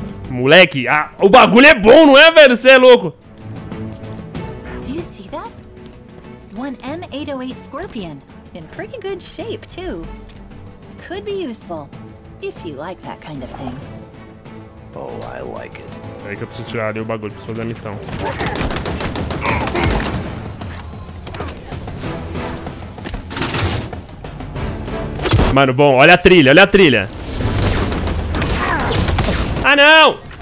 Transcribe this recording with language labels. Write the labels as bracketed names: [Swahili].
[Portuguese] Moleque, o bagulho é bom, não é, velho? Você é louco! [English] Do you see that? One M808 Scorpion in pretty good shape too. Could be useful if you like that kind of thing. Oh, I like it. [Portuguese] É que eu preciso tirar ali o bagulho, preciso fazer a missão. Mano, bom, olha a trilha, olha a trilha. Ah, não!